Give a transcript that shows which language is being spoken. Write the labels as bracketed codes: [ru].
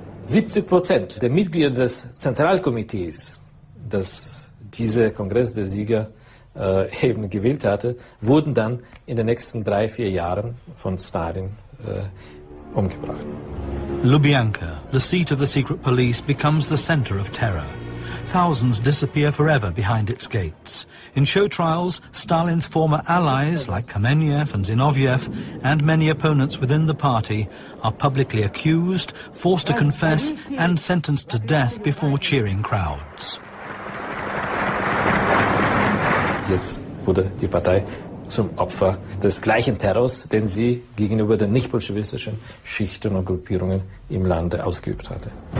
[de] 70% der Mitglieder des Zentralkomitees, das dieser Kongress der Sieger eben gewählt hatte, wurden dann in den nächsten 3-4 Jahren von Stalin umgebracht. [en] Lubyanka, the seat of the secret police, becomes the center of terror. Thousands disappear forever behind its gates. In show trials, Stalin's former allies like Kamenev and Zinoviev and many opponents within the party are publicly accused, forced to confess and sentenced to death before cheering crowds. [de] Jetzt wurde die Partei zum Opfer des gleichen Terrors, den sie gegenüber den nicht-bolschewistischen Schichten und Gruppierungen im Lande ausgeübt hatte.